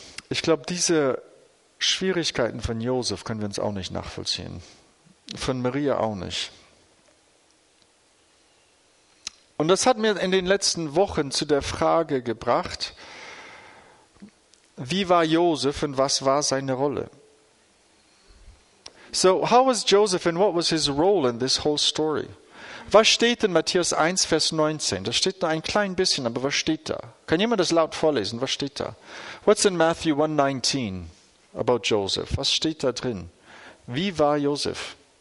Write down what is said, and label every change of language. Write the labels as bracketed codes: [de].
[de] Ich glaube, diese Schwierigkeiten von Josef können wir uns auch nicht nachvollziehen. Von Maria auch nicht. Und das hat mir in den letzten Wochen zu der Frage gebracht, wie war Josef und was war seine Rolle? [en] So, how was Joseph and what was his role in this whole story? [de] Was steht in Matthäus 1, Vers 19? Das steht nur ein klein bisschen, aber was steht da? Kann jemand das laut vorlesen? Was steht da? [en] What's in Matthew 1, 19 about Joseph? [de] Was steht da drin? Wie war Joseph?